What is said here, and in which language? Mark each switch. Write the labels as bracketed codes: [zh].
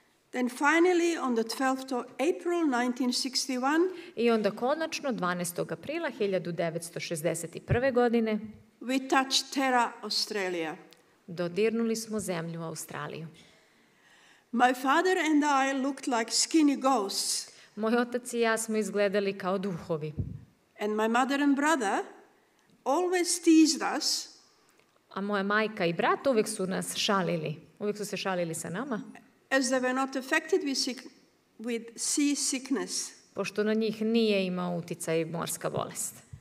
[en] Then finally on the 12th of April 1961, [sr] i onda konačno 12. aprila 1961. godine, [en] we touched terra Australia. [sr] Dodirnuli smo zemlju Australiju. [en] My father and I looked like skinny ghosts. [sr] Moj otac i ja smo izgledali kao duhovi. [en] And my mother and brother always teased us. [sr] A moja majka i brat uvek su nas šalili. Uvek su se šalili sa nama. [en] As they were not affected with seasickness. [sr] Pošto na njih nije imao uticaj morska bolest.